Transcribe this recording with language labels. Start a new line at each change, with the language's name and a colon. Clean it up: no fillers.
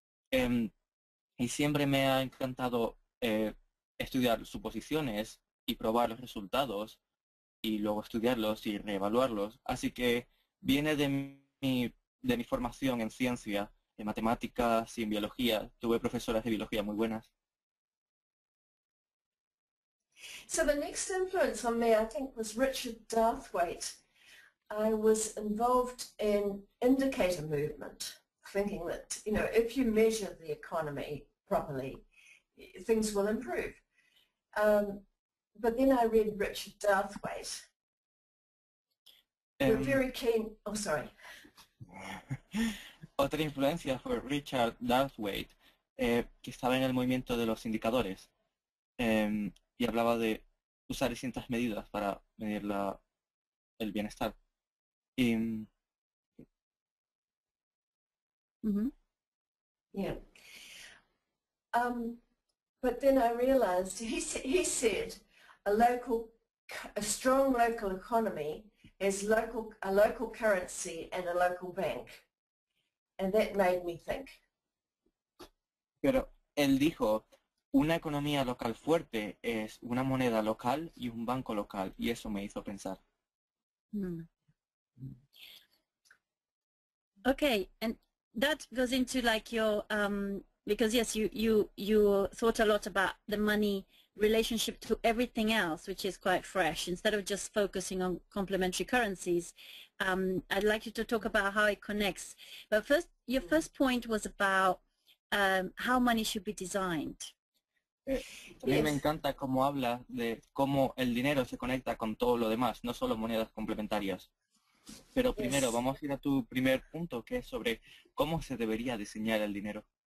Spanish: Y siempre me ha encantado estudiar suposiciones y probar los resultados y luego estudiarlos y reevaluarlos. Así que viene de mi formación en ciencia, en matemáticas y en biología. Tuve profesoras de biología muy buenas.
English: So the next influence on me, I think, was Richard Darthwaite. I was involved in indicator movement, thinking that, you know, if you measure the economy properly, things will improve. But then I read Richard Darthwaite. We're very keen. Oh, sorry.
Spanish: Otra influencia fue Richard Darthwaite, que estaba en el movimiento de los indicadores. Y hablaba de usar distintas medidas para medir el bienestar. Y, mm-hmm. Yeah.
English: But then I realized he said a strong local economy is a local currency and a local bank, and that made me think.
Spanish: Pero él dijo, una economía local fuerte es una moneda local y un banco local, y eso me hizo pensar. Hmm.
English: Okay, and that goes into like your because yes, you thought a lot about the money relationship to everything else, which is quite fresh. Instead of just focusing on complementary currencies, I'd like you to talk about how it connects. But first, your first point was about how money should be designed.
Spanish: A mí me encanta cómo habla de cómo el dinero se conecta con todo lo demás, no solo monedas complementarias. Pero primero, vamos a ir a tu primer punto, que es sobre cómo se debería diseñar el dinero.